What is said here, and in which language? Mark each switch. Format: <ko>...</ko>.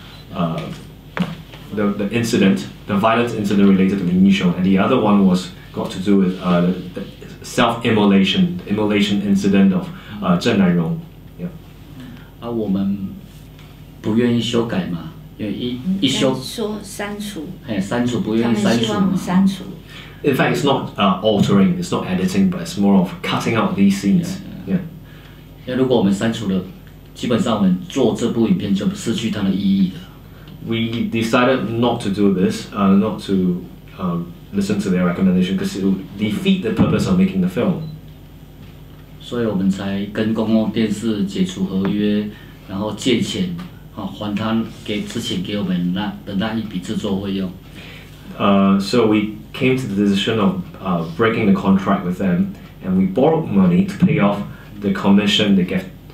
<en>The incident, the violent incident related to Lin Yisheng, and the other one was got to do with the self-immolation, the immolation incident of Zheng Nanrong. Yeah.</en> <zh>我们不愿意修改嘛，因为一修说删除，哎，删除不愿意删除嘛。他们希望删除。</zh> <en>In fact, it's not altering, it's not editing, but it's more of cutting out these scenes. Yeah.</en> <zh>因为如果我们删除了。基本上我们做这部影片就失去它的意义了。</zh> <en>We decided not to do this, not to listen to their recommendation because it would defeat the purpose of making the film.</en> <zh>所以我们才跟公共电视解除合约，然后借钱啊还他给之前给我们那一笔制作费用。</zh> <en>So we came to the decision of breaking the contract with them, and we borrowed money to pay off the commission they gave.</en>